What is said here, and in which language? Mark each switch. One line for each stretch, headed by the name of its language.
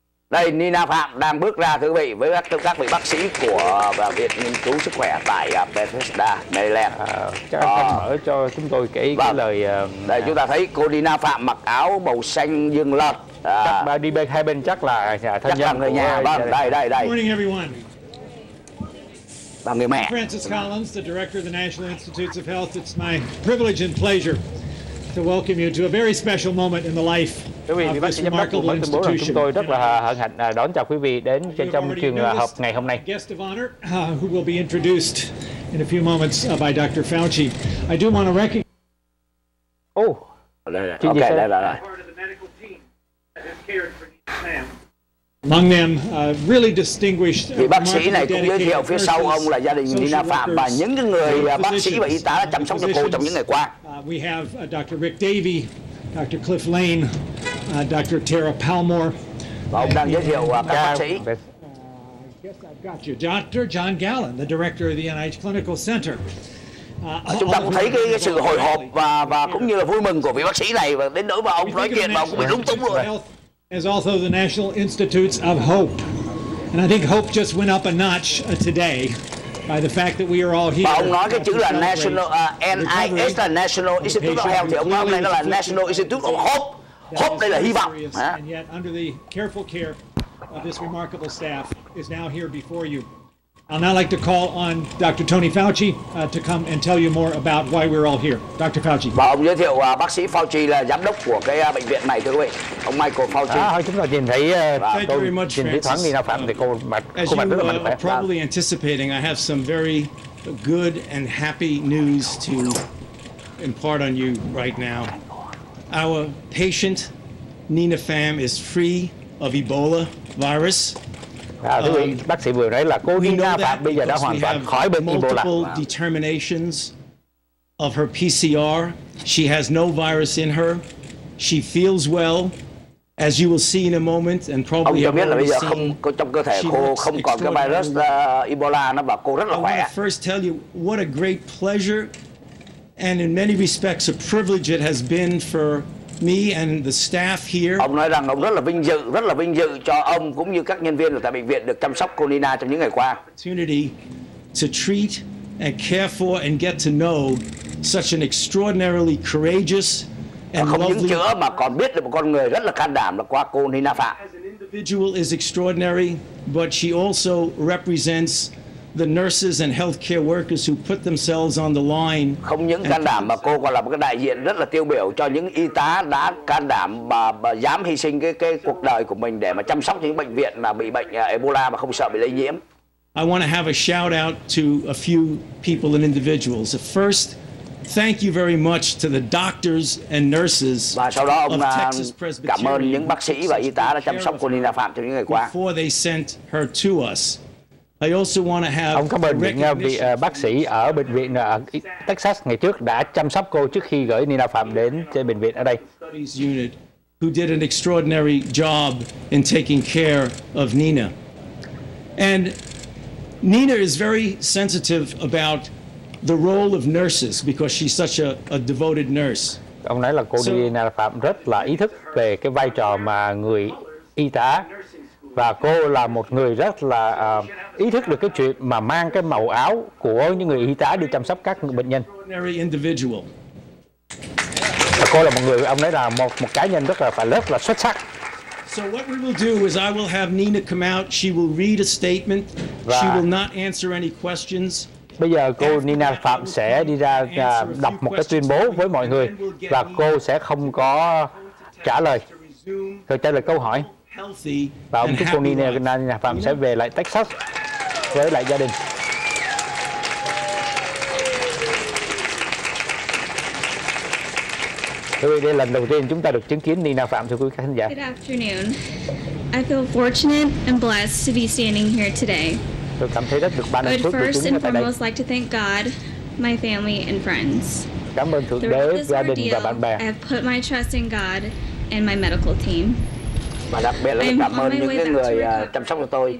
Vietnamese: Đây, Nina Phạm đang bước ra, thưa quý vị, với các vị bác sĩ của Viện Nghiên cứu Sức khỏe tại Bethesda, Maryland. Chắc anh mở cho chúng tôi cái lời... Đây, chúng ta thấy cô Nina Phạm mặc áo màu xanh dương lợt. Chắc đi bên hai bên chắc là thân chắc nhân người nhà. Vâng, đây.
English: Good morning, everyone. I'm Francis Collins, the director of the National Institutes of Health. It's my privilege and pleasure to welcome you to a very special moment in the life of this remarkable institution.
Vietnamese: Chúng tôi rất là hân hạnh đón chào quý vị đến trong trường hợp ngày hôm nay.
English: Guest of honor, who will be introduced in a few moments by Dr. Fauci. I do want to recognize. Oh, okay, part of the medical team among them, really distinguished.
Vietnamese: Vị bác sĩ này cũng giới thiệu phía sau ông là gia đình Nina Phạm và những người bác sĩ và y tá đã chăm sóc cho cô trong những ngày qua.
English: We have Dr. Rick Davey, Dr. Cliff Lane, Dr. Tara Palmore.
Vietnamese: Và ông đang giới thiệu các bác sĩ.
English: Dr. John Gallen, the director of the NIH Clinical Center.
Vietnamese: Chúng ta cũng thấy cái sự hồi hộp và cũng như là vui mừng của vị bác sĩ này, và đến nỗi mà ông nói chuyện mà ông cũng bị lúng túng luôn.
English: As also the National Institutes of Hope, and I think hope just went up a notch today by the fact that we are all here.
Vietnamese: Ông nói cái chữ là National, NIS là National Institute of Health, thì ông nói hôm nay nó là National Institute of Hope. Hope đây là hy vọng.
English: And yet, under the careful care of this remarkable staff, is now here before you. I'd now like to call on Dr. Tony Fauci to come and tell you more about why we're all here. Dr. Fauci.
Vietnamese: Và ông giới thiệu bác sĩ Fauci là giám đốc của cái bệnh viện này, thưa quý vị. Ông Michael Fauci. Chúng ta nhìn thấy tôi nhìn thấy thoáng Nina Phạm thì cô mặt rất là mạnh mẽ.
English: Probably anticipating, I have some very good and happy news to impart on you right now. Our patient Nina Pham is free of Ebola virus.
Vietnamese: Thưa quý vị, bác sĩ vừa nói là cô Nina Phạm bây giờ đã hoàn toàn khỏi bệnh Ebola.
English: Determinations of her PCR, she has no virus in her, she feels well, as you will see in a moment, and probably
Vietnamese: ông cho biết là bây giờ không có trong cơ thể cô không còn cái virus Ebola, nó và cô rất là khỏe.
English: First tell you what a great pleasure and in many respects a privilege it has been for me and the staff here.
Vietnamese: Ông nói rằng ông rất là vinh dự cho ông cũng như các nhân viên ở tại bệnh viện được chăm sóc cô Nina trong những ngày qua.
English: Opportunity to treat and care for and get to know such an extraordinarily courageous and
Vietnamese: không
English: lovely.
Vietnamese: Không những chữa mà còn biết được một con người rất là can đảm là qua cô Nina Phạm.
English: As an individual is extraordinary, but she also represents the nurses and healthcare workers who put themselves on the line.
Vietnamese: Không những can đảm mà cô còn là một cái đại diện rất là tiêu biểu cho những y tá đã can đảm mà dám hy sinh cái cuộc đời của mình để mà chăm sóc những bệnh viện mà bị bệnh Ebola mà không sợ bị lây nhiễm.
English: I want to have a shout out to a few people and individuals. First, thank you very much to the doctors and nurses.
Vietnamese: Và sau đó ông cảm ơn những bác sĩ và y tá đã chăm sóc cô Nina Phạm trong những ngày qua.
English: Before they sent her to us. I also want to have
Vietnamese: ông cảm ơn những vị bác sĩ ở bệnh viện ở Texas ngày trước đã chăm sóc cô trước khi gửi Nina Phạm đến trên bệnh viện ở đây.
English: Who did an extraordinary job in taking care of Nina. And Nina is very sensitive about the role of nurses because she's such a devoted nurse.
Vietnamese: Ông nói là cô Nina Phạm rất là ý thức về cái vai trò mà người y tá. Và cô là một người rất là ý thức được cái chuyện mà mang cái màu áo của những người y tá đi chăm sóc các bệnh nhân. Và cô là một người, ông nói là một cá nhân rất là xuất sắc.
English: So what we will do is I will have Nina come out, she will read a statement, she will not answer any questions.
Vietnamese: Bây giờ cô Nina Phạm sẽ đi ra đọc một cái tuyên bố với mọi người và cô sẽ không có trả lời. Cô trả lời câu hỏi. Và ông chúc cô Nina Phạm sẽ về lại Texas với lại gia đình. Thưa quý vị, đây là lần đầu tiên chúng ta được chứng kiến Nina Phạm, thưa quý khán giả.
English: Good afternoon. I feel fortunate and blessed to be standing here today.
Vietnamese: Tôi cảm thấy rất được ban ơn Chúa đứng tại đây.
English: But first and foremost, like to thank God, my family and friends.
Vietnamese: Cảm ơn Thượng Đế, gia đình và bạn bè.
English: I have put my trust in God and my medical team.
Vietnamese: Và đặc biệt là cảm ơn những người chăm sóc của tôi.